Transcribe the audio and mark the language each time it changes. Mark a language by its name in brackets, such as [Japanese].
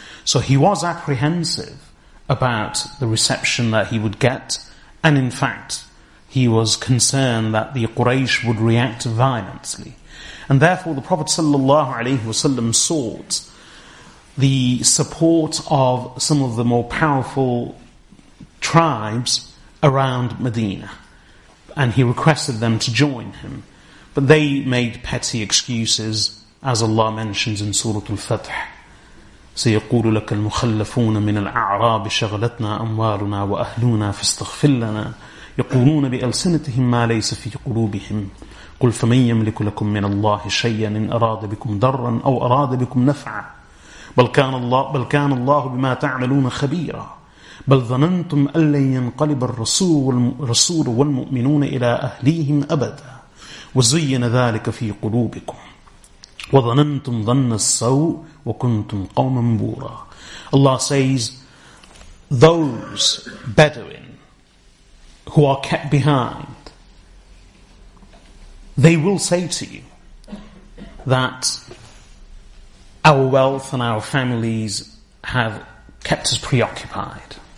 [English] So he was apprehensive about the reception that he would get, and in fact, he was concerned that the Quraysh would react violently. And therefore, the Prophet sallallahu alaihi wasallam sought the support of some of the more powerful tribes around Medina, and he requested them to join him. But they made petty excuses, as Allah mentions in Surah Al-Fath, [Arabic] سَيَقُولُ لَكَ الْمُخَلَّفُونَ مِنَ الْأَعْرَابِ شَغَلَتْنَا أَمْوَالُنَا وَأَهْلُونَا فَاسْتَغْفِرْ لَنَا يَقُولُونَ بِأَلْسِنَتِهِمْ مَا لَيْسَ فِي قُلُوبِهِمْ قُلْ فَمَنْ يَمْلِكُ لَكُمْ مِنَ اللَّهِ شَيْئًا إِنْ أَرَادَ بِكُمْ ضَرًّا أَوْ أَرَادَ بِكُمْ نَفْعًا بَلْ كَانَ اللَّهُ بِمَا تَعْمَلُونَ خَبِيرًا بَلْ ظَنَنْتُمْ أَنْ لَنْ يَنْقَلِبَ الرَّسُولُ وَالْمُؤْمِنُونَ إِلَى أَهْلِيهِمْ أَبَدًا وَزُيِّنَ ذَلِكَ فِي قُلُوبِكُمْ وَظَنَنْتُمْ ظَنَّ السَّوْءِ وَكُنْتُمْ قَوْمًا بُورًا. [English] Allah says, those Bedouin who are kept behind, they will say to you that our wealth and our families have kept us preoccupied.